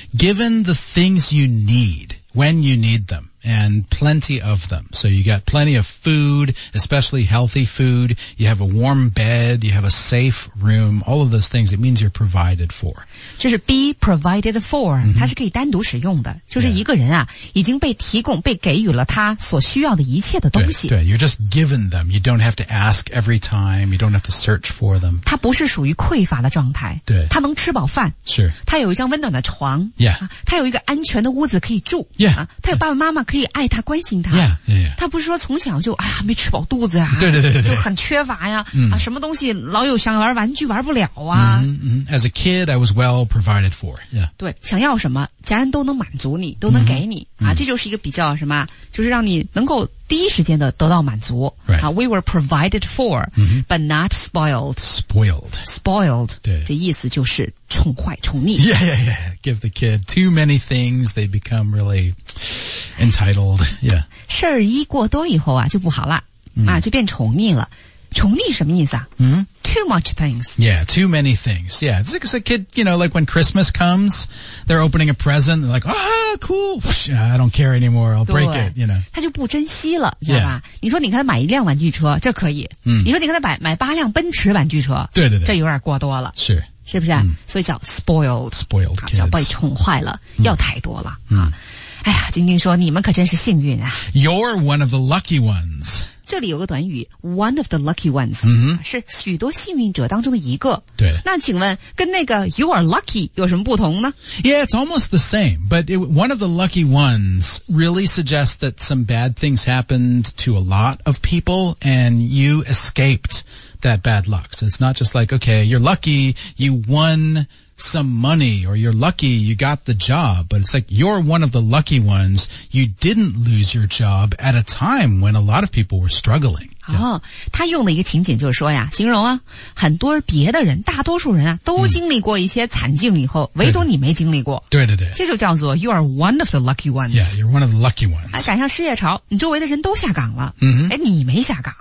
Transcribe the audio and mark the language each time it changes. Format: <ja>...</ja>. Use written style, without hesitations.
<en>?Given the things you need, when you need them, and plenty of them. So you got plenty of food, especially healthy food, you have a warm bed, you have a safe room, all of those things, it means you're provided for.</en> <zh>就是</zh> <en>be provided for,、</en> <zh>它是可以单独使用的。就是一个人啊、已经被提供被给予了他所需要的一切的东西。</zh> <en>对, 对 ,you're just given them. You don't have to ask every time. You don't have to search for them.</en> <zh>他不是属于匮乏的状态。对。他能吃饱饭。是。他有一张温暖的床。</zh> <en>Yeah.</en> <zh>他有一个安全的屋子可以住。</zh> <en>Yeah.</en> <zh>他有爸爸妈妈可以爱他关心他。</zh> <en>Yeah, yeah, yeah.</en> <zh>他不是说从小就哎呀没吃饱肚子啊。对对对对。就很缺乏呀、什么东西老有想玩玩具玩不了啊。</zh> <en>As a kid, I was well provided for. Yeah.</en> <zh>对想要什么家人都能满足你都能给你。这就是一个比较什么就是让你能够第一时间的得到满足。</zh> <en>Right. We were provided for,、but not spoiled. Spoiled. Spoiled.</en> <zh>对。这意思就是宠坏宠溺。</zh> <en>Yeah, yeah, yeah. Give the kid too many things, they become really... entitled, yeah.</en> <zh>事儿一过多以后啊就不好了、就变宠溺了。宠溺什么意思啊、</zh> <en>Too much things. Yeah, too many things. Yeah, it's like a kid, you know, like when Christmas comes, they're opening a present, they're like, cool, whoosh, I don't care anymore, I'll break it, you know.</en> <zh>他就不珍惜了知道吧、你说你给他买一辆玩具车这可以、你说你给他买八辆奔驰玩具车对对对这有点过多了。是。是不是、所以叫 spoiled</zh> <en>kids.</en> <zh>叫被宠坏了、要太多了。哎呀晶晶说你们可真是幸运啊。</zh> <en>You're one of the lucky ones.</en> <zh>这里有个短语 ,</zh> <en>one of the lucky ones,、</en> <zh>是许多幸运者当中的一个。对。那请问跟那个</zh> <en>you are lucky</en> <zh>有什么不同呢</zh> <en>?Yeah, it's almost the same, but one of the lucky ones really suggests that some bad things happened to a lot of people and you escaped that bad luck. So it's not just like, okay, you're lucky, you won,some money or you're lucky you got the job but it's like you're one of the lucky ones you didn't lose your job at a time when a lot of people were struggling</en> <zh>他用的一个情景就是说呀形容啊很多别的人大多数人啊都经历过一些惨境以后唯独你没经历过对对对这就叫做</zh> <en>you are one of the lucky ones yeah you're one of the lucky ones</en> <zh>赶上失业潮你周围的人都下岗了、你没下岗</zh>